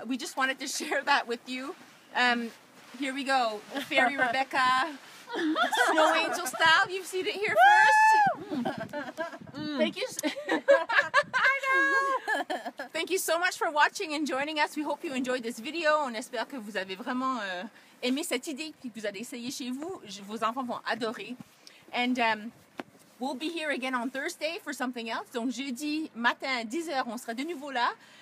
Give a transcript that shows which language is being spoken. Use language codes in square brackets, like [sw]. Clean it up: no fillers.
[en] We just wanted to share that with you. Here we go. Fairy Rebecca. Snow Angel style. You've seen it here first. Thank you. I know. Thank you so much for watching and joining us. We hope you enjoyed this video. [fr] On espère que vous avez vraiment aimé cette idée et que vous allez essayer chez vous. Vos enfants vont adorer. [en] And we'll be here again on Thursday for something else. [fr] Donc jeudi matin à 10h, on sera de nouveau là.